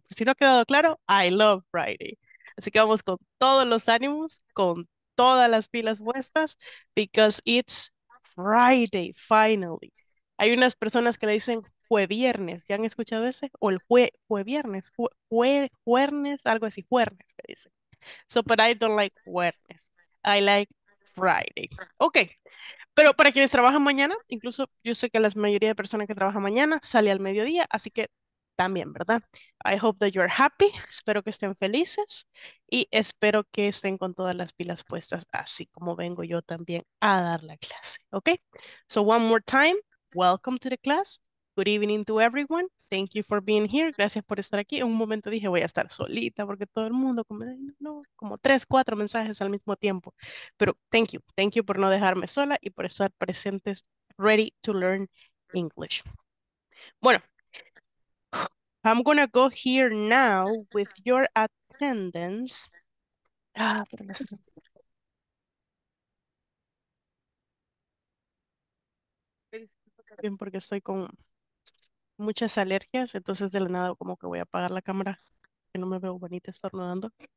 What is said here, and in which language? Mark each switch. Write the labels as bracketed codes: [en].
[es] Por si no ha quedado claro, [en] I love Friday. [es] Así que vamos con todos los ánimos, con todas las pilas puestas, [en] because it's Friday, finally. [es] Hay unas personas que le dicen jueviernes, viernes, ¿ya han escuchado ese? O el jueviernes, jueves, algo así, jueves, me dicen. [en] So, but I don't like jueves, I like Friday. [es] Ok, pero para quienes trabajan mañana, incluso yo sé que la mayoría de personas que trabajan mañana sale al mediodía, así que también, ¿verdad? [en] I hope that you're happy, [es] espero que estén felices y espero que estén con todas las pilas puestas, así como vengo yo también a dar la clase, ¿ok? [en] So one more time, welcome to the class, good evening to everyone, thank you for being here, [es] gracias por estar aquí. En un momento dije, voy a estar solita porque todo el mundo, como, no, como tres, cuatro mensajes al mismo tiempo, pero [en] thank you [es] por no dejarme sola y por estar presentes, [en] ready to learn English. [es] Bueno. [en] I'm gonna go here now with your attendance. [es] Ah, bien porque estoy con muchas alergias, entonces de la nada como que voy a apagar la cámara, que no me veo bonita estornudando.